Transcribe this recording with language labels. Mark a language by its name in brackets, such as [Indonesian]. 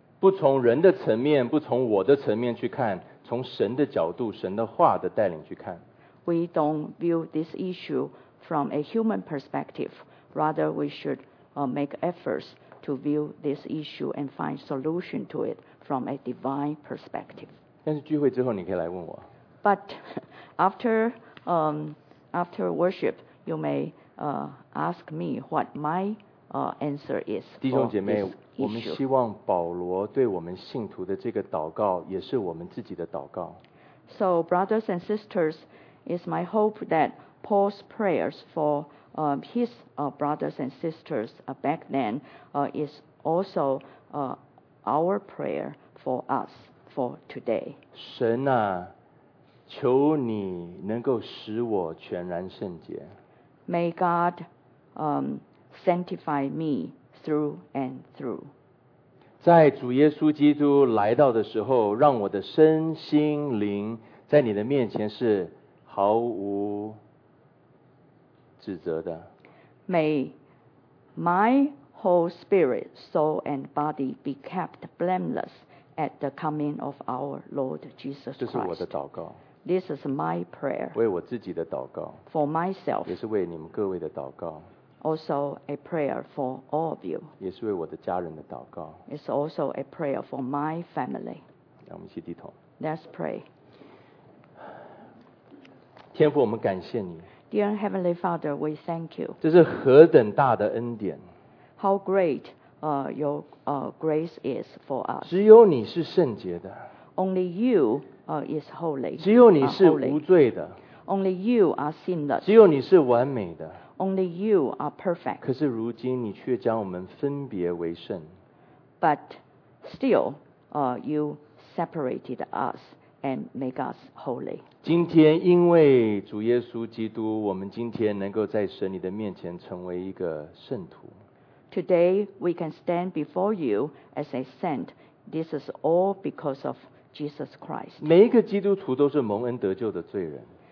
[Chinese] 不从人的层面，不从我的层面去看，从神的角度，神的话的带领去看。 [English] We don't view this issue from a human perspective. Rather, we should make efforts to view this issue and find solution to it from a divine perspective. [Chinese] 但是聚会之后，你可以来问我。 [English] But after worship, you may ask me what my answer is. [Chinese] 弟兄姐妹，我们希望保罗对我们信徒的这个祷告，也是我们自己的祷告。 [English] So, brothers and sisters, it's my hope that Paul's prayers for his brothers and sisters back then is also our prayer for us for today. [Chinese] 神啊。求你能够使我全然圣洁。 [English] May God, sanctify me through and through. [Chinese] 在主耶稣基督来到的时候，让我的身心灵在你的面前是毫无指责的。 [English] May my whole spirit, soul and body be kept blameless at the coming of our Lord Jesus Christ. [Chinese] 这是我的祷告。 [English] This is my prayer. [Chinese] 为我自己的祷告。 [English] For myself. [Chinese] 也是为你们各位的祷告。 [English] Also a prayer for all of you. [Chinese] 也是为我的家人的祷告。 [English] It's also a prayer for my family. [Chinese] 让我们一起低头。 [English] Let's pray. [Chinese] 天父，我们感谢你。 [English] Dear Heavenly Father, we thank you. [Chinese] 这是何等大的恩典。 [English] How great your grace is for us. [Chinese] 只有你是圣洁的。 [English] Only you is holy. [Chinese] 只有你是无罪的。 [English] Only you are sinless. [Chinese] 只有你是完美的。 [English] Only you are perfect. [Chinese] 可是如今你却将我们分别为圣。 [English] But still, you separated us and make us holy. [Chinese] 今天因为主耶稣基督，我们今天能够在神你的面前成为一个圣徒。 [English] Today we can stand before you as a saint. This is all because of Jesus Christ. [Chinese] 每一个基督徒都是蒙恩得救的罪人。